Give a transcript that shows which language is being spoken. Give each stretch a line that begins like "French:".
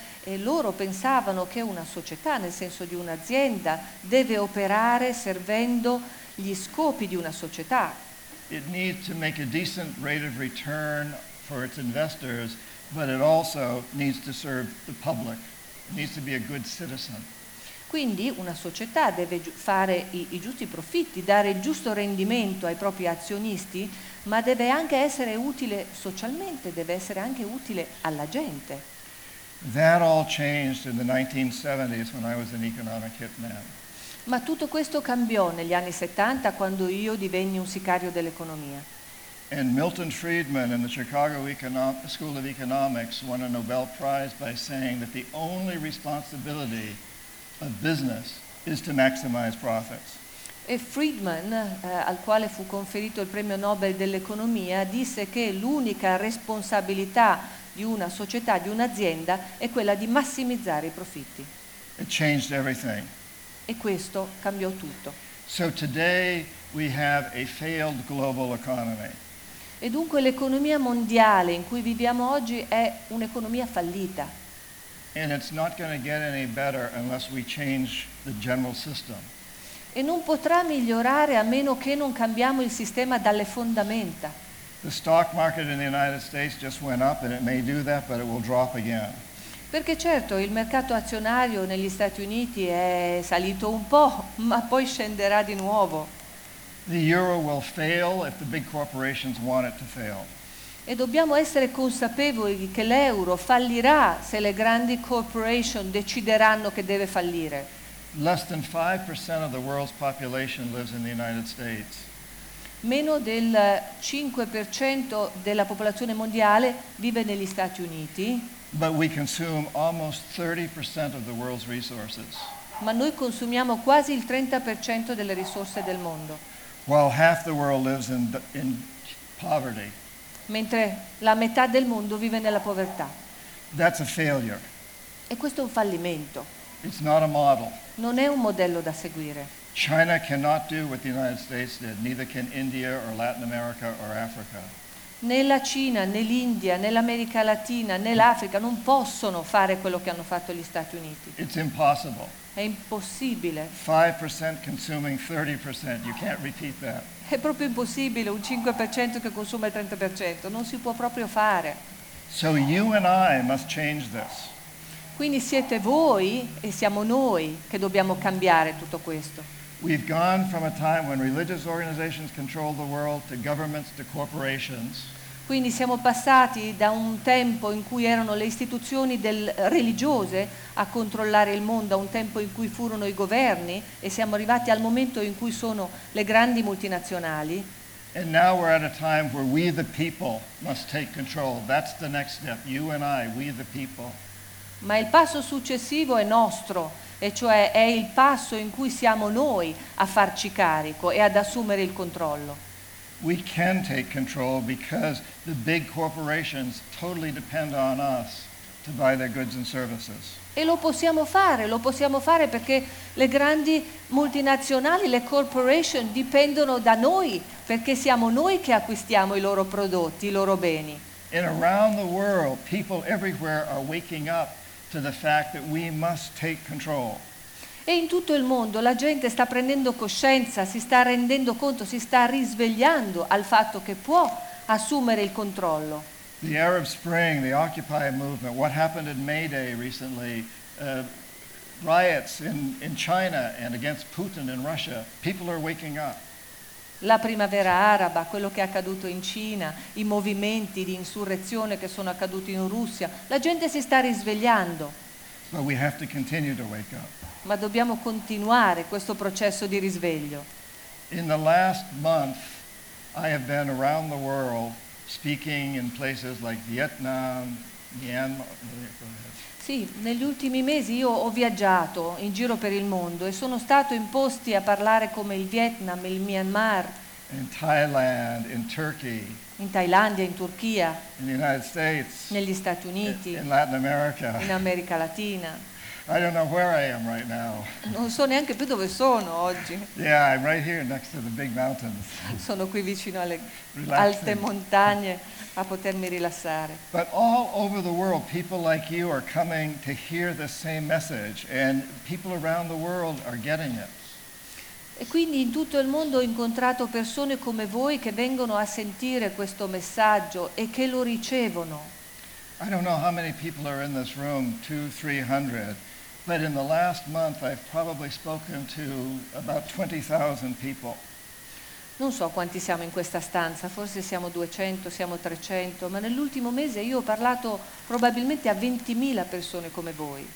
Italian: E loro pensavano che una società, nel senso di un'azienda, deve operare servendo gli scopi di una società.
English: It needs to make a decent rate of return for its investors, but it also needs to serve the public. It needs to be a good citizen.
Italian: Quindi una società deve fare i giusti profitti, dare il giusto rendimento ai propri azionisti, ma deve anche essere utile socialmente, deve essere anche utile alla gente.
English: That all changed in the 1970s when I was an economic hitman.
Italian: Ma tutto questo cambiò negli anni 70 quando io divenni un sicario dell'economia.
English: And Milton Friedman in the Chicago School of Economics won a Nobel Prize by saying that the only responsibility of business is to maximize profits.
Italian: E Friedman, al quale fu conferito il premio Nobel dell'economia, disse che l'unica responsabilità di una società, di un'azienda, è quella di massimizzare i profitti.
English: It changed everything.
Italian: E questo cambiò tutto.
English: So today we have a failed global economy.
Italian: E dunque l'economia mondiale in cui viviamo oggi è un'economia fallita.
English: And it's not going to get any better unless we change the general system.
Italian: E non potrà migliorare a meno che non cambiamo il sistema dalle fondamenta.
English: The stock market in the United States just went up, and it may do that, but it will drop again.
Italian: Perché certo, il mercato azionario negli Stati Uniti è salito un po', ma poi scenderà di nuovo.
English: The euro will fail if the big corporations want it to fail.
Italian: E dobbiamo essere consapevoli che l'euro fallirà se le grandi corporation decideranno che deve fallire.
English: Less than 5% of the world's population lives in the United States.
Italian: Meno del 5% della popolazione mondiale vive negli Stati Uniti.
English: But we consume almost 30% of the world's resources.
Italian: Ma noi consumiamo quasi il 30% delle risorse del mondo.
English: While half the world lives in poverty.
Italian: Mentre la metà del mondo vive nella povertà.
English: That's a failure.
Italian: E questo è un fallimento.
English: It's not a model.
Italian: Non è un modello da seguire.
English: China cannot do what the United States did, neither can India or Latin America or Africa.
Italian: Né la Cina, né l'India, né l'America Latina, né l'Africa non possono fare quello che hanno fatto gli Stati Uniti.
English: It's impossible.
Italian: È impossibile.
English: 5% consuming 30%, you can't repeat that.
Italian: È proprio impossibile, un 5% che consuma il 30%, non si può proprio fare.
English: So you and I must change this.
Italian: Quindi siete voi e siamo noi che dobbiamo cambiare tutto questo.
English: We've gone from a time when religious organizations controlled the world to governments to corporations.
Italian: Quindi siamo passati da un tempo in cui erano le istituzioni religiose a controllare il mondo, a un tempo in cui furono i governi, e siamo arrivati al momento in cui sono le grandi multinazionali.
English: And now we're at a time where we the people must take control. That's the next step. You and I, we the people.
Italian: Ma il passo successivo è nostro, e cioè è il passo in cui siamo noi a farci carico e ad assumere il controllo.
English: We can take control because the big corporations totally depend on us to buy their goods and services.
Italian: E lo possiamo fare perché le grandi multinazionali, le corporation, dipendono da noi, perché siamo noi che acquistiamo i loro prodotti, i loro beni.
English: And around the world, people everywhere are waking up to the fact that we must take control.
Italian: E in tutto il mondo la gente sta prendendo coscienza, si sta rendendo conto, si sta risvegliando al fatto che può assumere il controllo.
English: The Arab Spring, the Occupy movement, what happened in May Day recently, riots in China and against Putin in Russia, people are waking up.
Italian: La primavera araba, quello che è accaduto in Cina, i movimenti di insurrezione che sono accaduti in Russia, la gente si sta risvegliando.
English: But we have to continue to wake up.
Italian: Ma dobbiamo continuare questo processo di risveglio.
English: In the last month I have been around the world speaking in places like Vietnam, Myanmar.
Italian: Sì, negli ultimi mesi io ho viaggiato in giro per il mondo e sono stato in posti a parlare come il Vietnam, il Myanmar,
English: in Thailand, in Turkey,
Italian: in Thailandia, in Turchia,
English: in the United States,
Italian: negli Stati Uniti,
English: in Latin America,
Italian: in America Latina.
English: I don't know where I am right now.
Italian: Non so neanche più dove sono oggi.
English: Yeah, I'm right here next to the big mountains.
Italian: Sono qui vicino alle alte montagne a potermi rilassare.
English: But all over the world, people like you are coming to hear the same message, and people around the world are getting it.
Italian: E quindi in tutto il mondo ho incontrato persone come voi che vengono a sentire questo messaggio e che lo ricevono.
English: I don't know how many people are in this room, 200-300, but in the last month I've probably spoken to about 20,000 people.
Italian: Non so quanti siamo in questa stanza, forse siamo 200, siamo 300, ma nell'ultimo mese io ho parlato probabilmente a 20,000 persone come voi.